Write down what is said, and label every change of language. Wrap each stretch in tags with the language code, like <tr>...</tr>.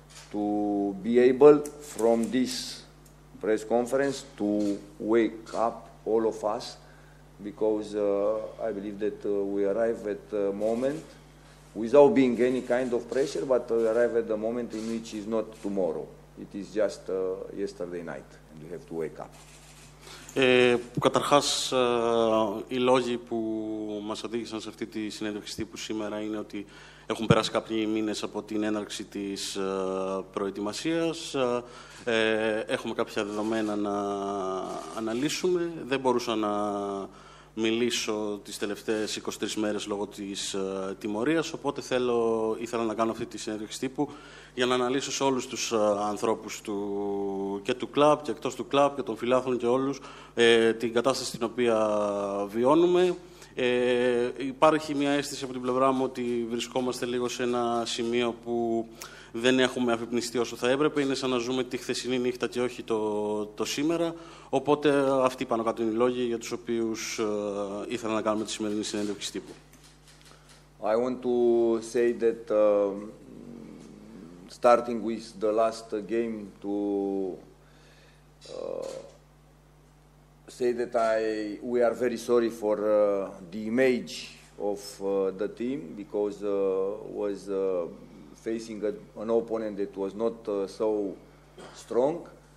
<en>To be able from this press conference to wake up all of us, because I believe that we arrive at a moment without being any kind of pressure, but we arrive at the moment in which is not tomorrow. It is just yesterday night, and we have to wake up.</en> <el>Καταρχάς, οι λόγοι που μας οδήγησαν σε αυτή τη συνέντευξη τύπου σήμερα είναι ότι έχουν περάσει κάποιοι μήνες από την έναρξη της προετοιμασίας. Έχουμε κάποια δεδομένα να αναλύσουμε. Δεν μπορούσα να μιλήσω τις τελευταίες 23 μέρες λόγω της τιμωρίας, οπότε ήθελα να κάνω αυτή τη συνέντευξη τύπου για να αναλύσω σε όλους τους ανθρώπους του κλαμπ και εκτός του κλαμπ και των φιλάθλων και όλους την κατάσταση την οποία βιώνουμε. Υπάρχει μια αίσθηση από την πλευρά μου ότι βρισκόμαστε λίγο σε ένα σημείο που δεν έχουμε αφυπνιστεί όσο θα έπρεπε. Είναι σαν να ζούμε τη χθεσινή νύχτα και όχι το σήμερα. Οπότε αυτοί πάνω κάτω είναι οι λόγοι για τους οποίους ήθελα να κάνουμε τη σημερινή συνέντευξη τύπου.</el> <en>I want to say that starting with the last game to say that we are very sorry for the image of the team, because was facing an opponent that was not so strong.</en>